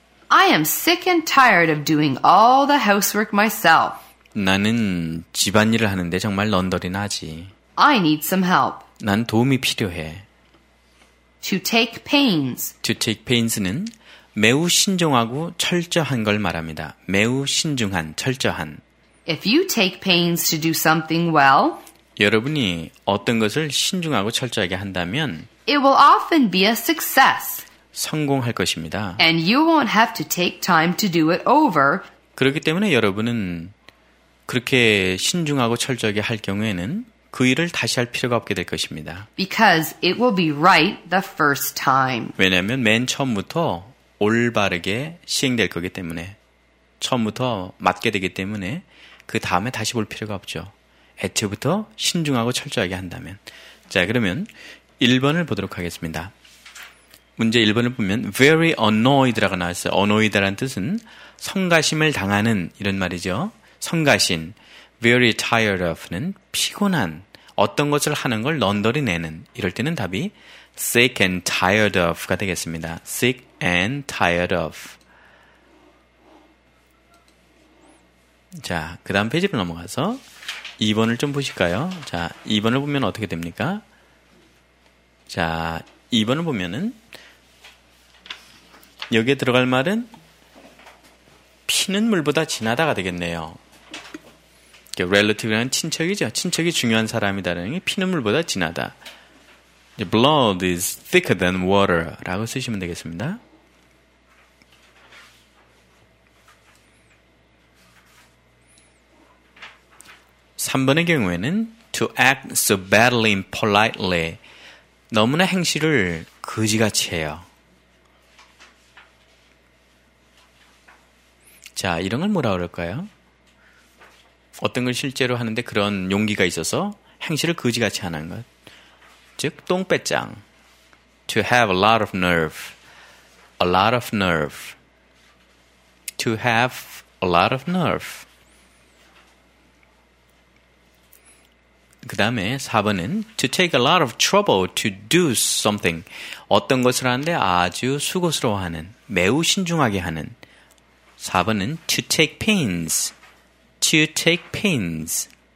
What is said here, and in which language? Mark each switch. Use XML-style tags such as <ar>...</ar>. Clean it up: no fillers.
<en>I am sick and tired of doing all the housework myself.</en> <ko>나는 집안일을 하는데 정말 넌더리 나지.</ko> <en>I need some help.</en> <ko>난 도움이 필요해.</ko> <en>To take pains. To take pains</en> <ko>는 매우 신중하고 철저한 걸 말합니다. 매우 신중한, 철저한.</ko> <en>If you take pains to do something well,</en> <ko>여러분이 어떤 것을 신중하고 철저하게 한다면,</ko> <en>it will often be a success.</en> <ko>성공할 것입니다.</ko> <en>And you won't have to take time to do it over.</en> <ko>그렇기 때문에 여러분은 그렇게 신중하고 철저하게 할 경우에는 그 일을 다시 할 필요가 없게 될 것입니다.</ko> <en>Because it will be right the first time.</en> <ko>왜냐하면 맨 처음부터 올바르게 시행될 거기 때문에, 처음부터 맞게 되기 때문에 그 다음에 다시 볼 필요가 없죠. 애초부터 신중하고 철저하게 한다면. 자, 그러면 1번을 보도록 하겠습니다. 문제 1번을 보면</ko> <en>very annoyed</en> <ko>라고 나왔어요. annoyed라는 뜻은 성가심을 당하는 이런 말이죠. 성가신,</ko> <en>very tired of</en> <ko>는 피곤한, 어떤 것을 하는 걸 넌더리 내는, 이럴 때는 답이</ko> <en>sick and tired of</en> <ko>가 되겠습니다.</ko> <en>sick and tired of.</en> <ko>자, 그 다음 페이지로 넘어가서 2번을 좀 보실까요? 자, 2번을 보면 어떻게 됩니까? 자, 2번을 보면은 여기에 들어갈 말은 피는 물보다 진하다가 되겠네요. relative는 친척이죠. 친척이 중요한 사람이다라는 게 피는 물보다 진하다.</ko> <en>blood is thicker than water</en> <ko>라고 쓰시면 되겠습니다. 3번의 경우에는</ko> <en>to act so badly impolitely</en> <ko>너무나 행실을 거지같이 해요. 자, 이런 걸 뭐라 그럴까요? 어떤 걸 실제로 하는데 그런 용기가 있어서 행실을 거지같이 하는 것. 즉, 똥배짱.</ko> <en>To have a lot of nerve. A lot of nerve. To have a lot of nerve.</en> <ko>그 다음에 4번은</ko> <en>To take a lot of trouble to do something.</en> <ko>어떤 것을 하는데 아주 수고스러워하는, 매우 신중하게 하는. 4번은</ko> <en>to take pains. To take pains.</en>